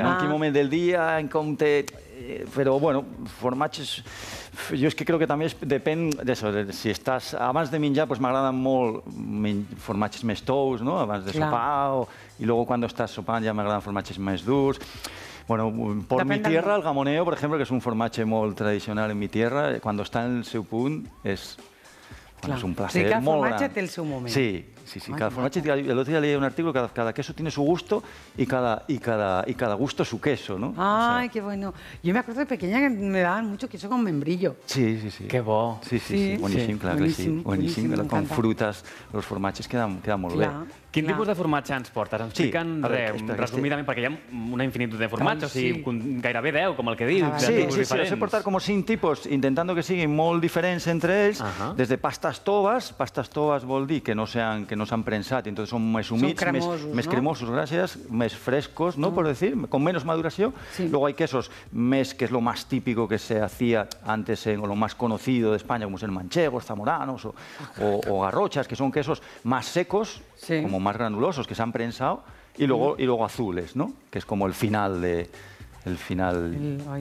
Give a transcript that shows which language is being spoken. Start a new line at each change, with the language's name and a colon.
Catalan: En quin moment del dia, en com te... Però, bueno, formatges... Jo és que crec que també depèn d'això. Si estàs... Abans de menjar, doncs m'agraden molt formatges més tous, no? Abans de sopar, i després, quan estàs sopant, ja m'agraden formatges més durs.
Spanish: Bueno, por mi tierra, el gamoneo, por ejemplo, que es
Catalan: un formatge molt tradicional
Spanish: en mi tierra, cuando está en
Catalan: el seu punt,
Spanish: es... Es un placer,
Catalan: molt gran. Cada formatge té el seu moment. Sí, sí, sí. Cada formatge... L'altre dia leia un article,
Spanish: cada queso tiene su gusto y cada gusto su queso, ¿no? Ay, qué bueno. Yo me acuerdo de pequeña que me daban mucho queso con membrillo. Sí, sí, sí.
Catalan: Qué bo. Sí, sí, sí. Boníssim, clar que sí. Boníssim,
Spanish: me encanta. Con frutas, los formatges quedan
Catalan: molt bé. Quin tipus de formatge ens portes? Ens expliquen resumidament, perquè hi ha una infinitud de formatges, gairebé 10, com el que dius. Sí, sí, sí, els he portat com 5 tipus, intentant que siguin molt diferents entre ells, des de pastas toves vol dir que no s'han prensat, i són més humits, més cremosos, gràcies, més frescos, no,
Spanish: por decir, con menos maduració. Luego hay quesos més, que és lo más típico que se hacía antes, o lo más conocido de España, como ser manchegos, zamoranos, o garrochas, que son quesos más secos, como más granulosos, que se han prensado, y luego azules, ¿no? Que es como el final de... El final...